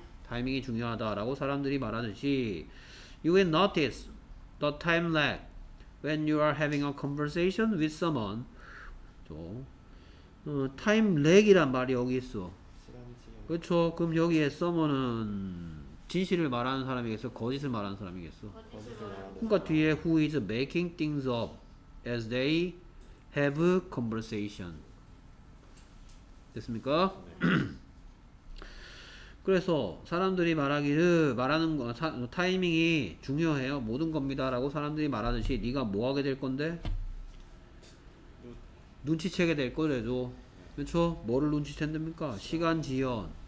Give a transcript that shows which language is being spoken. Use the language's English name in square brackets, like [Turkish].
[Korean] 타이밍이 중요하다 라고 사람들이 말하듯이 [English] You will notice the time lag when you are having a conversation with someone. [Korean] 타임 렉이란 말이 여기 있어. 그렇죠. 그럼 여기에 someone은 진실을 말하는 사람이겠어? 거짓을 말하는 사람이겠어? 거짓을 말하는 사람. 그러니까 뒤에 [English] who is making things up as they have conversation. [Korean] 됐습니까? 그래서 사람들이 말하기를 말하는 거 타이밍이 중요해요. 모든 겁니다라고 사람들이 말하듯이 네가 뭐 하게 될 건데? 눈치채게 될 거래도. 그렇죠? 뭐를 눈치챈 됩니까? 시간 지연.